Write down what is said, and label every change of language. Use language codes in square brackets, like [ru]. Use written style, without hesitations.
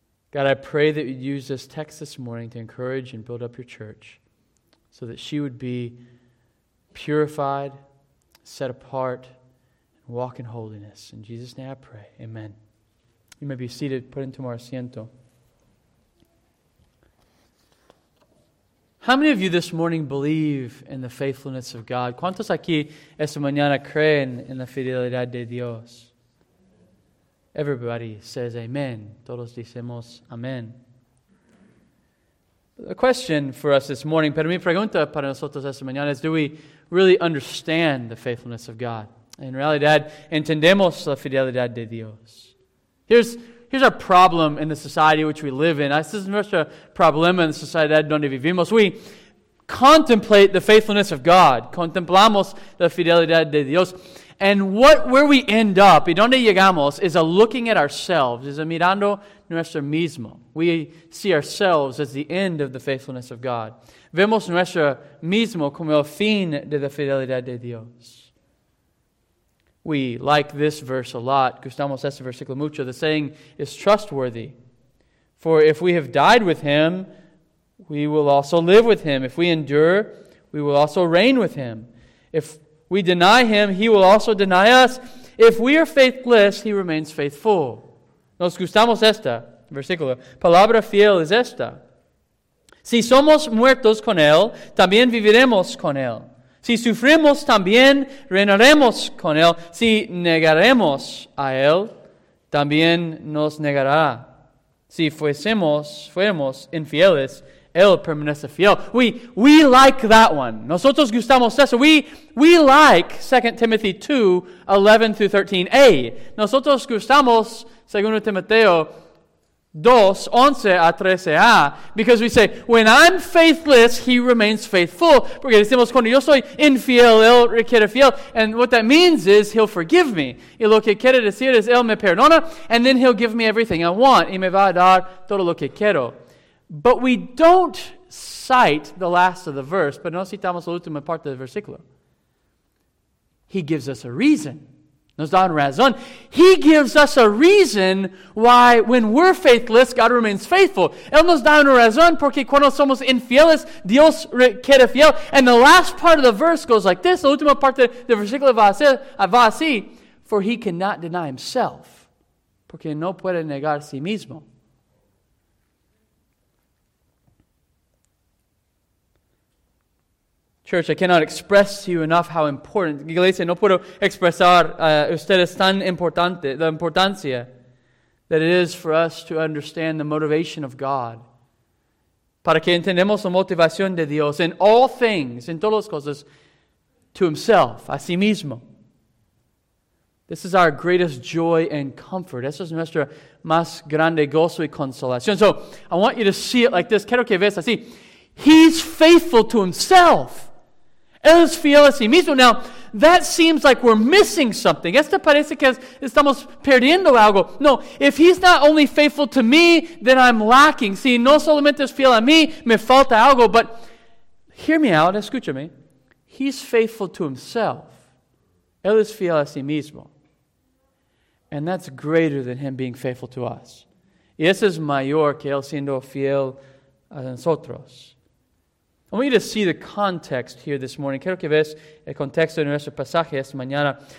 [en] God, I pray that you'd use this text this morning to encourage and build up your church so that she would be purified, set apart, and walk in holiness. In Jesus' name I pray. Amen. You may be seated. Put into our asiento. How many of you this morning believe in the faithfulness of God? [es] ¿Cuántos aquí esta mañana creen en la fidelidad de Dios? [en] Everybody says amen. [es] Todos decimos amen. [en] The question for us this morning, [es] pero mi pregunta para nosotros esta mañana es, [en] do we really understand the faithfulness of God? [es] En realidad, ¿entendemos la fidelidad de Dios? [en] Here's our problem in the society which we live in. This is [es] nuestro problema [en] in the [es] sociedad donde vivimos. [en] We contemplate the faithfulness of God. [es] Contemplamos la fidelidad de Dios. [en] And where we end up, [es] y donde llegamos, [en] is a looking at ourselves, is a [es] mirando nuestro mismo. [en] We see ourselves as the end of the faithfulness of God. [es] Vemos nuestro mismo como el fin de la fidelidad de Dios. [en] We like this verse a lot. [es] Gustamos este versículo mucho. [en] The saying is trustworthy. For if we have died with him, we will also live with him. If we endure, we will also reign with him. If we deny him, he will also deny us. If we are faithless, he remains faithful. [es] Nos gustamos esta versículo. Palabra fiel es esta. Si somos muertos con él, también viviremos con él. Si sufrimos también, reinaremos con él. Si negaremos a él, también nos negará. Si fuéramos infieles, él permanece fiel. [en] We like that one. [es] Nosotros gustamos eso. [en] We like 2 Timothy 2, 11 through 13a. [es] Nosotros gustamos 2 Timoteo 2, 11 a 13a, [en] because we say, when I'm faithless, he remains faithful. [es] Porque decimos, cuando yo soy infiel, él requiere fiel. [en] And what that means is, he'll forgive me. [es] Y lo que quiere decir es, él me perdona, [en] and then he'll give me everything I want. [es] Y me va a dar todo lo que quiero. [en] But we don't cite the last of the verse, pero no citamos la última parte del versículo. He gives us a reason. [es] Nos da una razón. [en] He gives us a reason why when we're faithless, God remains faithful. [es] Él nos da una razón porque cuando somos infieles, Dios queda fiel. [en] And the last part of the verse goes like this. [es] La última parte del versículo va así. [en] For he cannot deny himself. [es] Porque no puede negar a sí mismo. [en] Church, I cannot express to you enough how important. [es] Iglesia, no puedo expresar ustedes tan importante, la importancia [en] that it is for us to understand the motivation of God. [es] Para que entendamos la motivación de Dios [en] in all things, [es] in todas las cosas, [en] to himself, [es] a sí mismo. [en] This is our greatest joy and comfort. [es] Eso es nuestro más grande gozo y consolación. [en] So, I want you to see it like this. [es] Quiero que veas así. [en] He's faithful to himself. [es] Él es fiel a sí mismo. [en] Now, that seems like we're missing something. [es] Esto parece que estamos perdiendo algo. [en] No, if he's not only faithful to me, then I'm lacking. [es] Si no solamente es fiel a mí, me falta algo. [en] But hear me out, [es] escúchame. [en] He's faithful to himself. [es] Él es fiel a sí mismo. [en] And that's greater than him being faithful to us. [es] Y eso es mayor que él siendo fiel a nosotros. [en] I want you to see the context here this morning. [es] Quiero que veas el contexto de nuestro pasaje esta mañana.